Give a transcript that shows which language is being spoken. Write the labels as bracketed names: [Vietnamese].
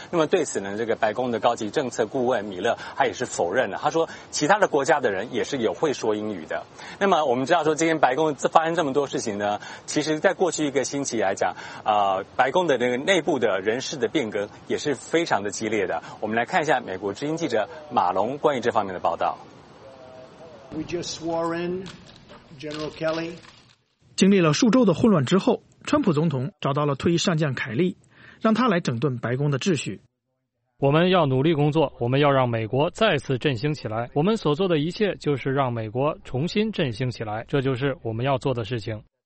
[Chinese] 那么对此呢，这个白宫的高级政策顾问米勒他也是否认了，他说其他的国家的人也是有会说英语的。那么我们知道说今天白宫发生这么多事情呢，其实在过去一个星期来讲，白宫的那个内部的人事的变更也是非常的激烈的。我们来看一下美国之音记者马龙关于这方面的报道。 [English] We just swore in General Kelly. [Chinese] 经历了数周的混乱之后，川普总统找到了退役上将凯利，让他来整顿白宫的秩序。我们要努力工作，我们要让美国再次振兴起来。我们所做的一切就是让美国重新振兴起来，这就是我们要做的事情。